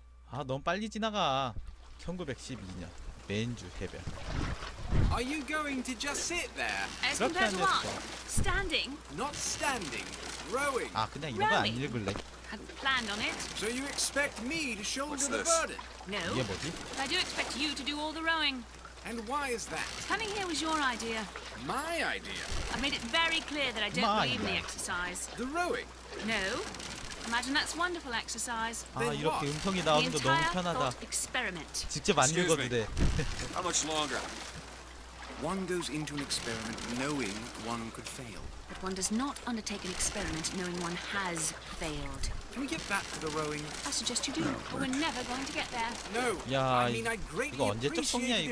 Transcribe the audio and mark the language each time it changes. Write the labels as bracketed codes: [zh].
[ko] 아 너무 빨리 지나가. 1912년 맨주 해변. [en] Are you going to just sit there? As compared to what? Standing? Not standing. Rowing. [ko] 아 그냥 이런 거 안 읽을래. [en] Had planned on it. So you expect me to shoulder the burden? No. [ko] 이게 뭐지? [en] I do expect you to do all the rowing. And why is that? Coming here was your idea. My idea. I made it very clear that I don't believe in the exercise. The rowing. No. Imagine that's wonderful exercise. [ko] 아 이렇게 음성이 나오는 거 너무 편하다. 직접 안 읽어도 돼. [en] How much longer? One goes into an experiment knowing one could fail. But one does not undertake an experiment knowing one has failed. Can we get back to the rowing? I suggest you do. No. We're never going to get there. No. 야, I mean, I'd greatly appreciate if you